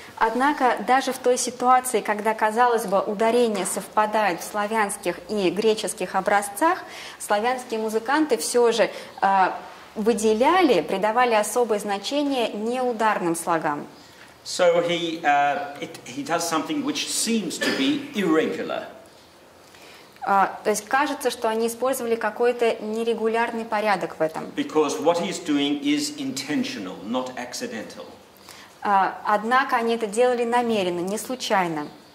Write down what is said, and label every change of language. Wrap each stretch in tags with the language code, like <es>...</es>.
<ru>Однако даже в той ситуации, когда, казалось бы, ударения совпадают в славянских и греческих образцах, славянские музыканты все же выделяли, придавали особое значение неударным слогам.</ru> <en>So he does something which seems to be irregular.</en> <ru>То есть кажется, что они использовали какой-то нерегулярный порядок в этом.</ru> <en>Because what he's doing is intentional, not accidental.</en> <ru>Однако они это делали намеренно, не случайно.</ru>